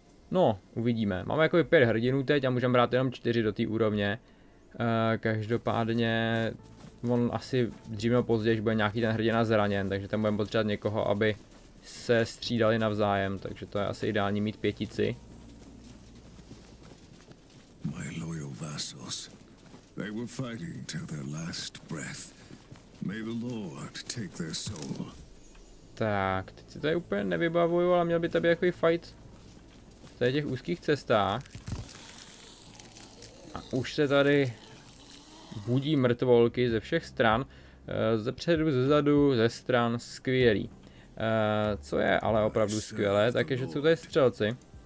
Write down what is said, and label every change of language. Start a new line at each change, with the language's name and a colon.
Czech: No, uvidíme. Máme jako 5 hrdinů teď a můžeme brát jenom 4 do té úrovně. Každopádně... On asi dřív nebo později, že bude nějaký ten hrdina zraněn, takže tam budeme potřebovat někoho, aby se střídali navzájem, takže to je asi ideální mít pětici.
English: My loyal vassals. They were fighting till their last breath. May the Lord take their soul.
Czech: Tak, teď si tady úplně nevybavuju, ale měl by tady jaký fight v tady těch úzkých cestách. A už se tady budí mrtvolky ze všech stran. Ze předu, ze zadu, ze stran, skvělý. Co je ale opravdu skvělé, tak je, že jsou tady střelci.